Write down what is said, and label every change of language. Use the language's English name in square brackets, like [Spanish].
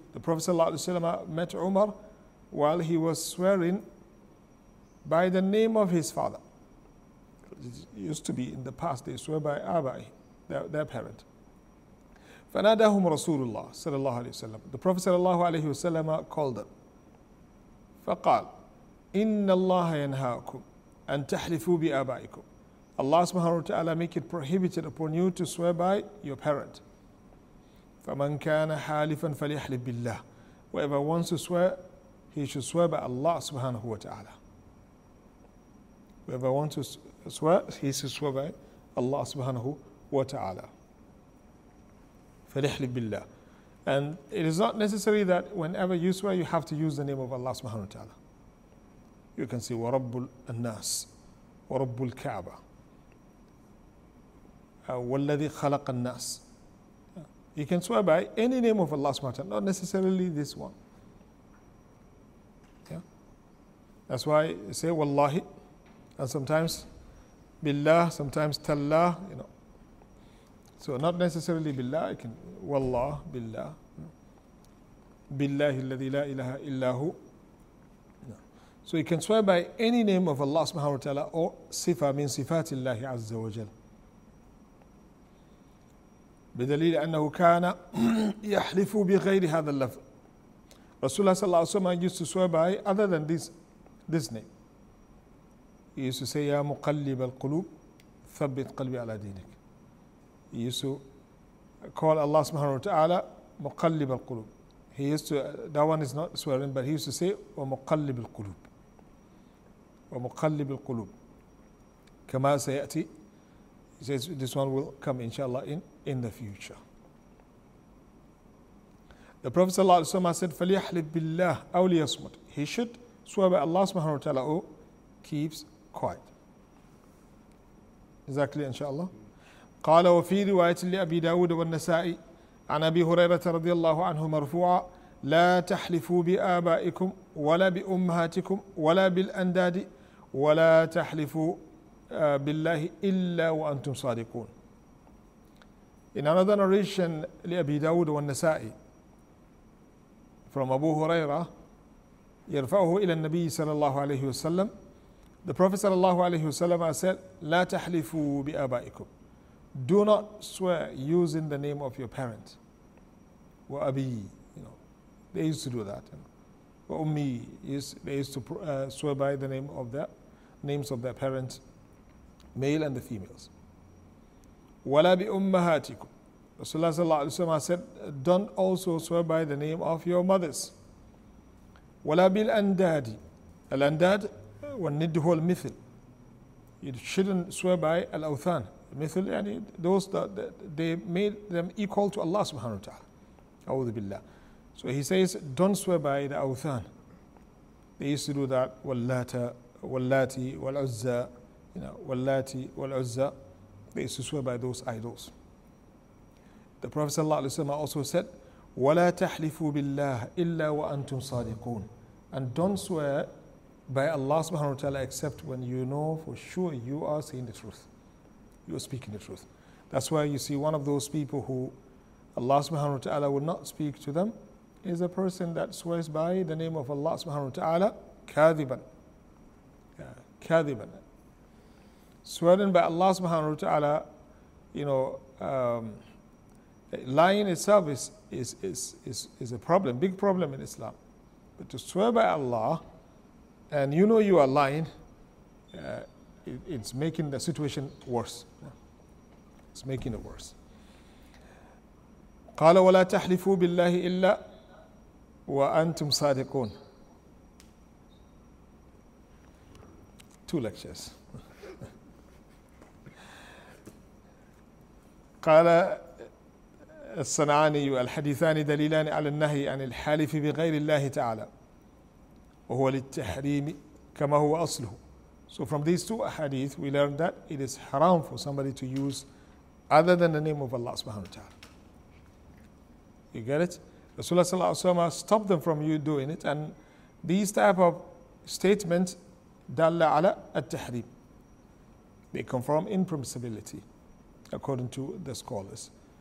[English] The Prophet sallallahu alaihi wasallam met Umar while he was swearing by the name of his father. It used to be in the past they swear by Abai, their parent. [Arabic] فناداهم رسول الله صلى الله عليه وسلم. [English] The Prophet صلى الله عليه وسلم called them. [Arabic] فقال إن الله ينهاكم أن تحلفوا بآبائكم. [English] Allah سبحانه وتعالى make it prohibited upon you to swear by your parent. [Arabic] فمن كان حالفا فليحلف بالله. [English] Whoever wants to swear, he should swear by Allah سبحانه وتعالى. Whoever wants to swear, he should swear by Allah subhanahu wa ta'ala. [Arabic] فَلِحْلِ بِاللَّهِ. [English] And it is not necessary that whenever you swear, you have to use the name of Allah subhanahu wa ta'ala. You can say, [Arabic] وَرَبُّ النَّاسِ وَرَبُّ الْكَعْبَةِ وَالَّذِي خَلَقَ النَّاسِ. [English] You can swear by any name of Allah subhanahu wa ta'ala, not necessarily this one. Yeah. That's why you say, وَاللَّهِ. And sometimes billah, sometimes tallah, you know. So not necessarily billah, I can wallah, billah. Billahi alladhi la ilaha illahu. No. So you can swear by any name of Allah subhanahu wa ta'ala or sifa min sifatillahi azza wa jal. [Arabic] بدليل أنه كان يحلف بغير هذا اللفظ. [English] Rasulullah sallallahu alayhi wa sallam used to swear by other than this name. He used to say, [Arabic] يَا مُقَلِّبَ الْقُلُوبِ ثَبِّتْ قَلْبِي عَلَى دِينِكَ. [English] He used to call Allah subhanahu wa ta'ala مُقَلِّبَ الْقُلُوبِ. He used to, that one is not swearing, but he used to say, وَمُقَلِّبِ الْقُلُوبِ. [Arabic] وَمُقَلِّبِ الْقُلُوبِ. كَمَا سَيَأْتِي. [English] He says, this one will come, inshallah, in the future. The Prophet sallallahu alayhi wa sallam said, فَلِيَحْلِبْ بِاللَّهِ أَوْ لِيَصْمُتْ. He should swear by Allah subhanahu wa ta'ala, keeps quiet. Exactly, inshallah. [Arabic] قال وفي رواية لأبي داود والنسائي عن أبي هريرة رضي الله عنه مرفوعا لا تحلفوا بآبائكم ولا بأمهاتكم ولا بالأنداد ولا تحلفوا بالله إلا وأنتم صادقون. [English] In another narration [Arabic] لأبي داود والنسائي from أبو هريرة يرفعه إلى النبي صلى الله عليه وسلم, [English] the Prophet sallallahu alayhi wa sallam said, [Arabic] لَا تَحْلِفُوا بِآبَائِكُمْ. [English] Do not swear using the name of your parent. وَأَبِي, you know, they used to do that. وَأُمِّي, you know. They used to swear by the name of their names of their parents, male and the females. [Arabic] وَلَا بِأُمَّهَاتِكُمْ. [English] Rasulullah sallallahu alayhi wa sallam said, don't also swear by the name of your mothers. [Arabic] وَلَا بِالْأَنْدَادِ. الْأَنْدَادِ, والند هو المثل. [English] You shouldn't swear by الأوثان. [Arabic] مثل يعني [English] those that they made them equal to Allah سبحانه وتعالى. [Arabic] أعوذ بالله. [English] So he says, don't swear by the أوثان. They used to do that. [Arabic] واللات واللاتي والعزى. [English] You know, [Arabic] واللاتي والعزى. [English] They used to swear by those idols. The Prophet [Arabic] صلى الله عليه وسلم [English] also said, [Arabic] ولا تحلفوا بالله إلا وأنتم صادقون. [English] And don't swear by Allah subhanahu wa ta'ala except when you know for sure you are saying the truth, you are speaking the truth. That's why you see one of those people who Allah subhanahu wa ta'ala would not speak to them is a person that swears by the name of Allah subhanahu wa ta'ala kathiban. Kathiban. Swearing by Allah subhanahu wa ta'ala, you know, lying itself is a problem, big problem in Islam. But to swear by Allah and you know you are lying, it's making the situation worse. It's making it worse. قال ولا تحلفوا بالله إلا وأنتم صادقون. Two lectures. [Arabic] قال الصنعاني الحديثان دليلان على النهي عن الحالف بغير الله تعالى. وهو للتحريم كما هو أصله [English] So from these two hadith, we learn that it is haram for somebody to use other than the name of Allah subhanahu wa ta'ala. You get it? Rasulullah sallallahu alayhi wa sallam stopped them from you doing it, and these type of statements, [Arabic] dalla ala at-tahrim, [English] they confirm impermissibility, according to the scholars.